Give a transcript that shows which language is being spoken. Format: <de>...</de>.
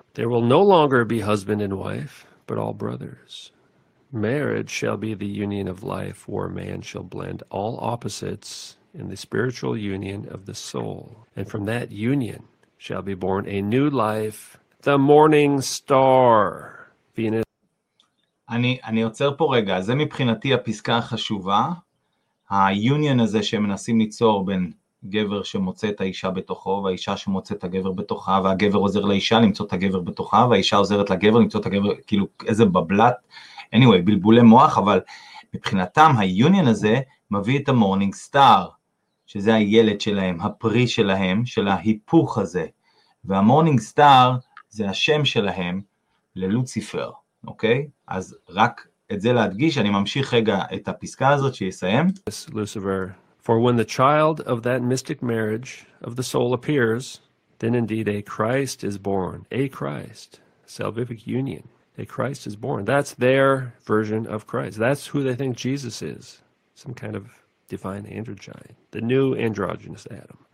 <en>There will no longer be husband and wife, but all brothers. Marriage shall be the union of life, where man shall blend all opposites in the spiritual union of the soul. And from that union shall be born a new life, the morning star, Venus.</en> <he>אני עוצר פה רגע, זה מבחינתי הפסקה החשובה, ה-union הזה שהם מנסים ליצור בין גבר שמוצא את האישה בתוכו, והאישה שמוצא את הגבר בתוכה, והגבר עוזר לאישה למצוא את הגבר בתוכה, והאישה עוזרת לגבר למצוא את הגבר, כאילו איזה בבלת, anyway, בלבולי מוח, אבל מבחינתם ה-union הזה מביא את ה-morning star, שזה הילד שלהם, הפרי שלהם, של ההיפוך הזה, וה-morning star זה השם שלהם ללוציפר, אוקיי? אז רק את זה להדגיש, אני ממשיך רגע את הפסקה הזאת שיסיים.</he> <en>Lucifer, for when the child of that mystic marriage of the soul appears, then indeed a Christ is born, a Christ, salvific union, a Christ is born. That's their version of Christ. That's who they think Jesus is, some kind of divine androgyne, the new androgynous Adam.</en>